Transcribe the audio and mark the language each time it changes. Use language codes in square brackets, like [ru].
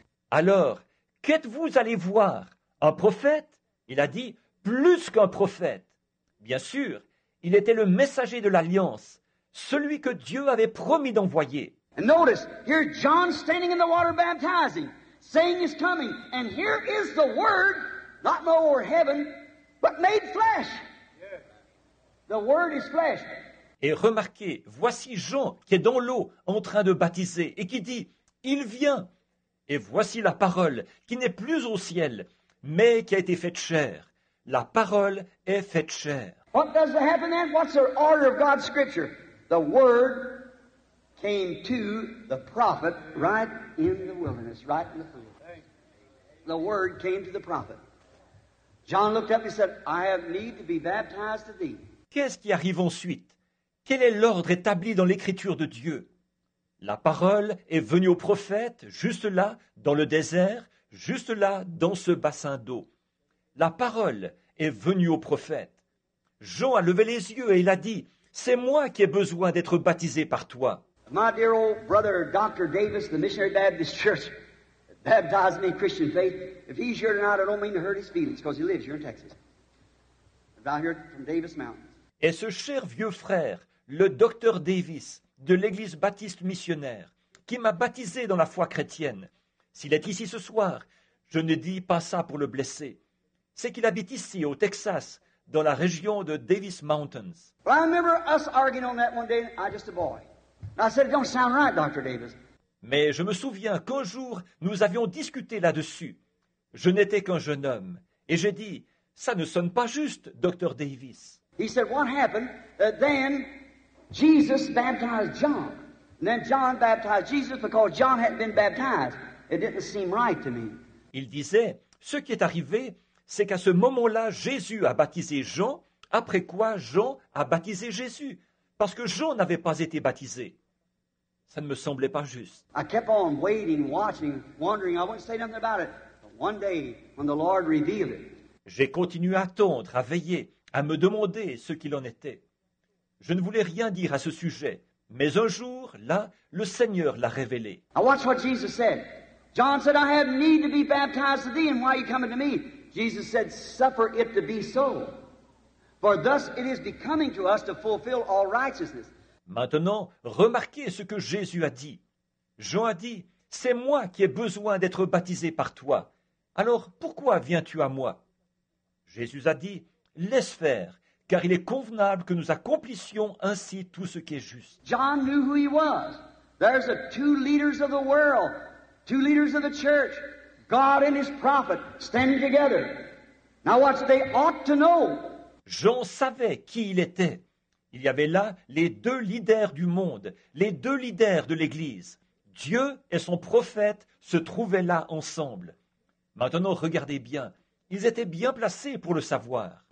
[fr] Alors, qu'êtes-vous allé voir? Un prophète? Il a dit, plus qu'un prophète. Bien sûr, il était le messager de l'Alliance, celui que Dieu avait promis d'envoyer. [en] And notice, here John standing in the water baptizing, saying he's coming, and here is the Word, not lower heaven, but made flesh. The Word is flesh. [fr] Et remarquez, voici Jean qui est dans l'eau en train de baptiser et qui dit, il vient. Et voici la parole qui n'est plus au ciel, mais qui a été faite chair. La parole est faite chair. [en] What does it happen then? What's the order of God's scripture? The Word came to the prophet right in the wilderness, right in the field. The Word came to the prophet. John looked up and said, I have need to be baptized to thee. [fr] Qu'est-ce qui arrive ensuite? Quel est l'ordre établi dans l'écriture de Dieu? La parole est venue au prophète juste là, dans le désert, juste là, dans ce bassin d'eau. La parole est venue au prophète. Jean a levé les yeux et il a dit, « C'est moi qui ai besoin d'être baptisé par toi. » [en] My dear old brother, Dr. Davis, the Missionary Baptist Church, baptized me in Christian faith. If he's here tonight, I don't mean to hurt his feelings, because he lives here in Texas. About here from Davis Mountains. [fr] Et ce cher vieux frère, le Dr. Davis, de l'Église Baptiste Missionnaire, qui m'a baptisé dans la foi chrétienne, s'il est ici ce soir, je ne dis pas ça pour le blesser. C'est qu'il habite ici, au Texas, dans la région de Davis Mountains. [en] Well, I remember us arguing on that one day, I just a boy. And I said, it don't sound right, Dr. Davis. [fr] Mais je me souviens qu'un jour, nous avions discuté là-dessus. Je n'étais qu'un jeune homme. Et j'ai dit, ça ne sonne pas juste, Dr. Davis. [en] He said, what happened? Then Jesus baptized John. And then John baptized Jesus because John hadn't been baptized. It didn't seem right to me. [fr] Il disait, ce qui est arrivé, c'est qu'à ce moment-là, Jésus a baptisé Jean, après quoi Jean a baptisé Jésus, parce que Jean n'avait pas été baptisé. Ça ne me semblait pas juste. [en] I kept on waiting, watching, wondering. I wouldn't say nothing about it. But one day, when the Lord revealed it. [fr] J'ai continué à attendre, à veiller, à me demander ce qu'il en était. Je ne voulais rien dire à ce sujet, mais un jour, là, le Seigneur l'a révélé. [en] I watched what Jesus said. John said, I have need to be baptized to thee, and why are you coming to me? Jesus said, suffer it to be so, for thus it is becoming to us to fulfill all righteousness. [fr] Maintenant, remarquez ce que Jésus a dit. Jean a dit, c'est moi qui ai besoin d'être baptisé par toi. Alors, pourquoi viens-tu à moi? Jésus a dit, laisse faire, car il est convenable que nous accomplissions ainsi tout ce qui est juste. [en] John knew who he was. There's the two leaders of the world, two leaders of the church. God and his prophet standing together. Now watch, they ought to know. [fr] Jean savait qui il était. Il y avait là les deux leaders du monde, les deux leaders de l'Église. Dieu et son prophète se trouvaient là ensemble. Maintenant, regardez bien. Ils étaient bien placés pour le savoir.